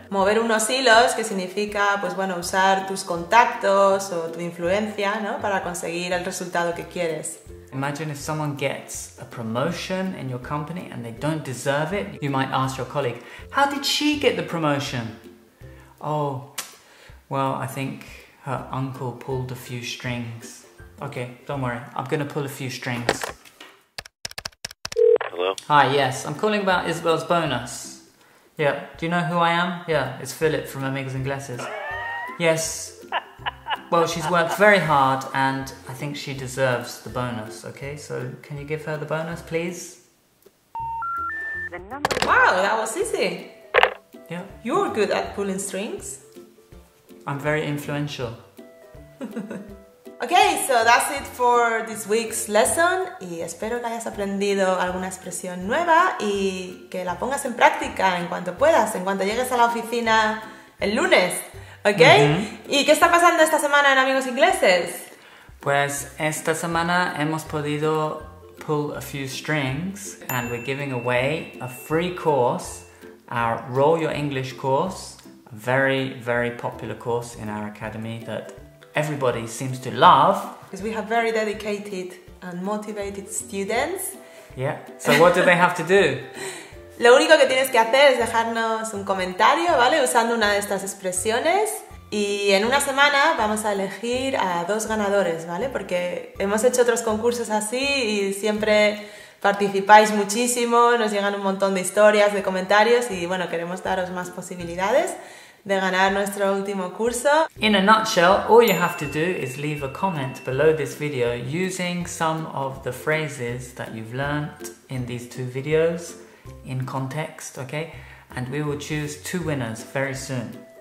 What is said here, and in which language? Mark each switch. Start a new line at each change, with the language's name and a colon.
Spanish: Mover unos hilos, que significa, pues bueno, usar tus contactos o tu influencia, ¿no? Para conseguir el resultado que quieres.
English: Imagine if someone gets a promotion in your company and they don't deserve it. You might ask your colleague, how did she get the promotion? Oh, well, I think her uncle pulled a few strings. Okay, don't worry. I'm gonna pull a few strings. Hello? Hi, yes. I'm calling about Isabel's bonus. Yeah, do you know who I am? Yeah, it's Philip from Amigos and Glasses. Yes. Well, she's worked very hard and I think she deserves the bonus, okay? So can you give her the bonus, please? Wow, that was easy. Yeah. You're good at pulling strings. I'm very influential. Okay, so that's it for this week's lesson.
Spanish: Y espero que hayas aprendido alguna expresión nueva y que la pongas en práctica en cuanto puedas, en cuanto llegues a la oficina el lunes. ¿Ok? Uh-huh. ¿Y qué está pasando esta semana en Amigos Ingleses? Pues esta semana hemos podido
English: pull a few strings and we're giving away a free course, our Roll Your English course, a very, very popular course in our academy that everybody seems to love. Because we have very dedicated and motivated students. Yeah, so what do they have to do?
Spanish: Lo único que tienes que hacer es dejarnos un comentario, ¿vale? Usando una de estas expresiones. Y en una semana vamos a elegir a dos ganadores, ¿vale? Porque hemos hecho otros concursos así y siempre participáis muchísimo, nos llegan un montón de historias, de comentarios y, bueno, queremos daros más posibilidades de ganar nuestro último curso.
English: In a nutshell, all you have to do is leave a comment below this video using some of the phrases that you've learned in these two videos. In context, okay? And we will choose two winners very soon.